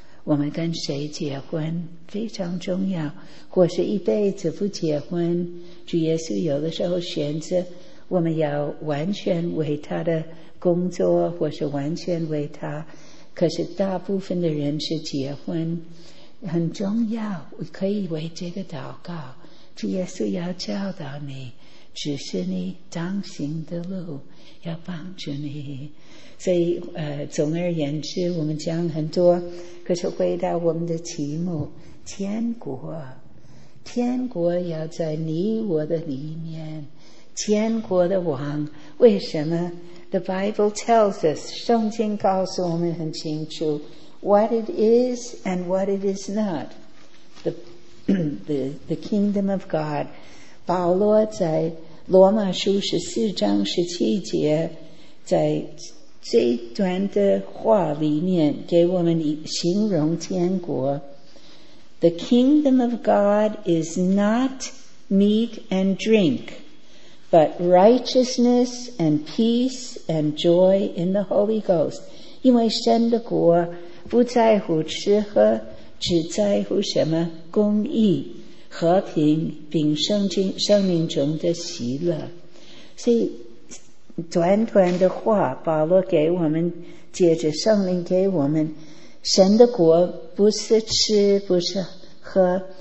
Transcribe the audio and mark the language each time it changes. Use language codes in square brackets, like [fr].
[zh] 我们跟谁结婚非常重要，或是一辈子不结婚，主耶稣有的时候选择我们要完全为他的工作，或是完全为他，可是大部分的人是结婚，很重要，我可以为这个祷告，主耶稣要教导你，只是你当行的路，要帮助你。所以总而言之，我们讲很多，可是回到我们的题目，天国，天国要在你我的里面，天国的王。为什么？ [en] The Bible tells us, [zh] 圣经告诉我们很清楚， [en] What it is and what it is not, the kingdom of God. [zh] 保罗在罗马书14:17在这一段的话里面给我们形容天国， [en] The kingdom of God is not meat and drink, but righteousness and peace and joy in the Holy Ghost. [zh] 因为神的国不在乎吃喝，只在乎什么？公义、和平，并生命中的喜乐。所以短短的话，保罗给我们，借着圣灵给我们，神的国不是吃，不是喝。